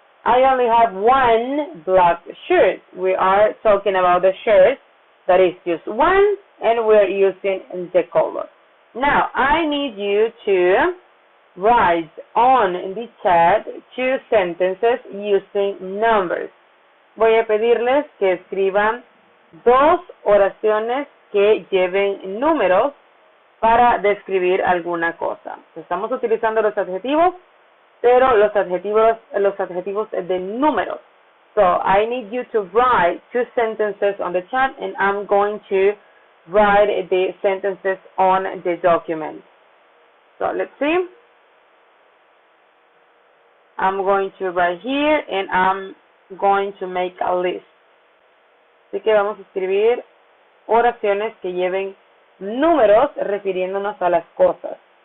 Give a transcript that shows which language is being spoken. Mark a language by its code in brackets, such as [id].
[en] I only have one black shirt. We are talking about the shirt that is just one, and we're using the color. Now, I need you to write on the chat two sentences using numbers. [es] Voy a pedirles que escriban dos oraciones que lleven números para describir alguna cosa. Estamos utilizando los adjetivos, pero los adjetivos de números. [en] So, I need you to write two sentences on the chat, and I'm going to write the sentences on the document. So, let's see. I'm going to write here, and I'm going to make a list. [es] Así que vamos a escribir oraciones que lleven números refiriéndonos a las cosas.